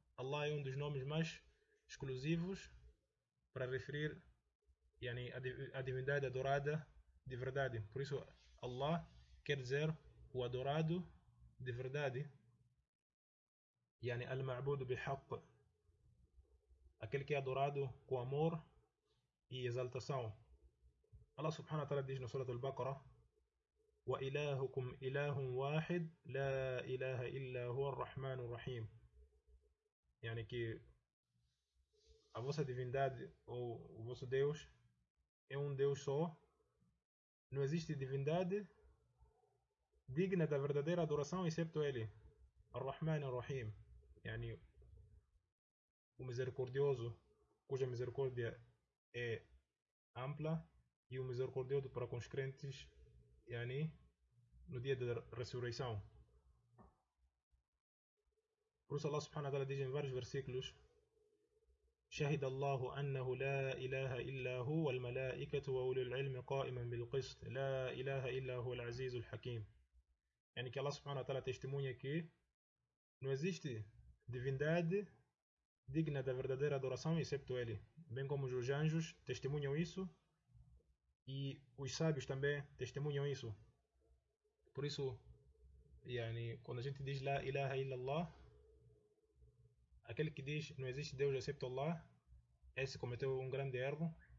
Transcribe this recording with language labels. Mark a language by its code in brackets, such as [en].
[pt] Allah é um dos nomes mais exclusivos para referir a divindade adorada de verdade. Por isso, Allah quer dizer o adorado de verdade. [ar] يعني المعبود بحق. [pt] Aquele que é adorado com amor e exaltação. Allah subhanahu wa ta'ala diz no Surat al-Baqarah: [ar] وَإِلَٰهُكُمْ إِلَٰهٌ وَاحِدٌ لَا إِلَٰهَ إِلَّا هُوَ الرَّحْمَنُ الرَّحِيمُ. [pt] Yani que a vossa divindade ou o vosso Deus é um Deus só. Não existe divindade digna da verdadeira adoração excepto Ele. [ar] الرحمن الرحيم يعني [pt] o misericordioso cuja misericórdia é ampla e o misericordioso para com os crentes [ar] يعني [pt] no dia da ressurreição. Por isso Allah subhanahu wa ta'ala diz em vários versículos: [ar] شهد الله أنه لا إله إلا هو والملائكة وأولي العلم قائما بالقسط لا إله إلا هو العزيز الحكيم. يعني [pt] que Allah subhanahu wa ta'ala testemunha que não existe divindade digna da verdadeira adoração, excepto Ele. Bem como os anjos testemunham isso, e os sábios também testemunham isso. Por isso, yani, quando a gente diz La ilaha illallah, aquele que diz não existe Deus excepto Allah, esse cometeu um grande erro.